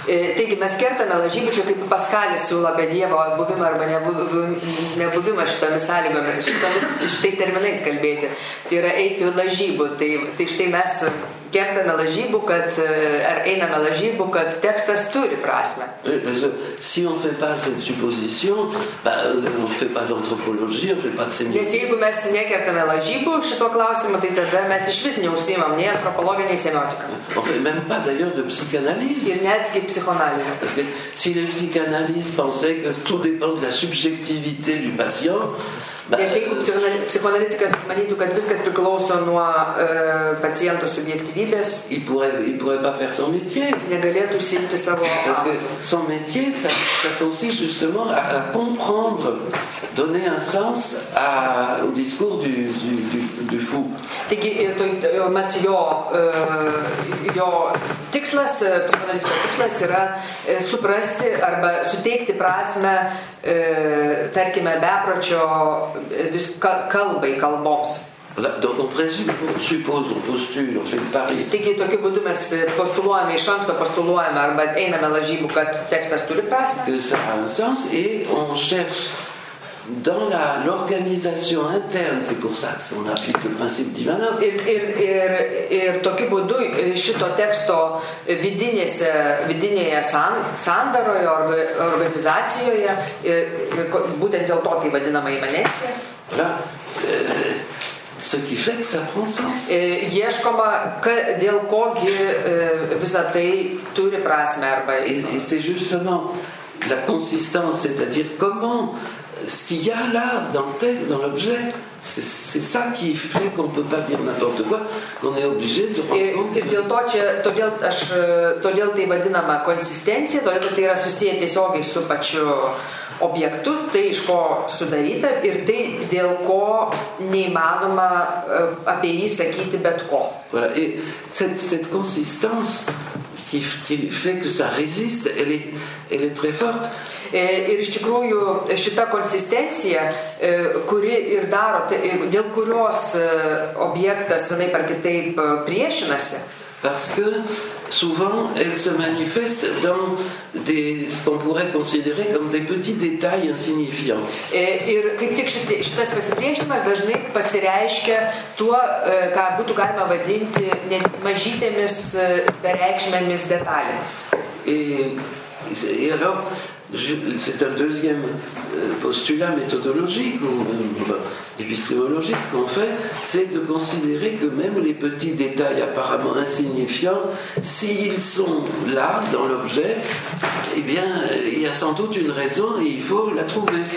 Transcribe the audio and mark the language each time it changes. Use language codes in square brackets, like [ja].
[lt] Taigi, mes kertame lažybų, čia kaip Paskalis siūlo apie Dievo buvimą arba nebuvimą šitomis sąlygomis, šitais terminais kalbėti. Tai yra eiti lažybų. Tai štai mes kertame lažybų, kad, ar einame lažybų, kad tekstas turi prasmę. [fr] Si on fait pas cette supposition, bah, on fait pas d'anthropologie, on fait pas de sémiotique. [lt] Nes jeigu mes nekertame lažybų šito klausimo, tai tada mes iš vis neusimam nei antropologiją, nei semiotiką. [fr] On fait même pas d'ailleurs de psychanalyse. [lt] Ir netgi psichoanalyze. [fr] Parce que si les psychanalystes pensaient que tout dépend de la subjectivité du patient, [lt] nes jeigu psichoanalytikas manytų, kad viskas priklauso nuo paciento subjektyvybės, [fr] il pourrait pas faire son métier. [lt] Jis negalėtų užsiimti savo. [fr] Parce que son métier, ça consiste justement à comprendre, donner un sens au discours du fou. [lt] Taigi, mat jo tikslas, psichoanalytiko tikslas yra suprasti arba suteikti prasmę, tarkime, bepročio kalbai, kalboms. [fr] Voilà, donc on suppose, on postule, on fait le pari. [lt] Taigi, tokiu būdu mes postuluojame, iš anksto postuluojame arba einame lažybų, kad tekstas turi prasmę. [fr] Que ça a un sens et on cherche dans l'organisation interne, c'est pour ça qu'on applique le principe divinus. [lt] Ir tokiu būdu šito teksto vidinėje sandaroje organizacijoje, būtent dėl to tai vadinama imanencija. [fr] Voilà. Ce qui fait que ça prend sens. [lt] Ieškoma, dėl kogi visa tai turi prasmę arba... [fr] Et c'est justement la consistance, c'est-à-dire comment ce qu'il y a là dans le texte, dans l'objet, c'est ça qui fait qu'on peut pas dire n'importe quoi, qu'on est obligé de rendre compte. [lt] Ir dėl to čia, todėl tai vadinama konsistencija, todėl tai yra susiję tiesiogiai su pačiu objektus, tai iš ko sudaryta ir tai dėl ko neįmanoma apie jį sakyti bet ko. [fr] Voilà. Et cette consistance qui fait que ça résiste, elle est très forte. [lt] Ir iš tikrųjų šita konsistencija, kuri ir daro, dėl kurios objektas vienaip ar kitaip priešinasi. [fr] Parce que souvent, elles se manifestent dans des, ce qu'on pourrait considérer comme des petits détails insignifiants. [lt] Ir kaip tik šitas pasipriešinimas dažnai pasireiškia tuo, ką būtų galima vadinti mažytėmis bereikšmėmis detalėmis. [fr] Et alors, c'est un deuxième postulat méthodologique ou épistémologique qu'on fait, c'est de considérer que même les petits détails apparemment insignifiants, s'ils sont là, dans l'objet, eh bien, il y a sans doute une raison et il faut la trouver.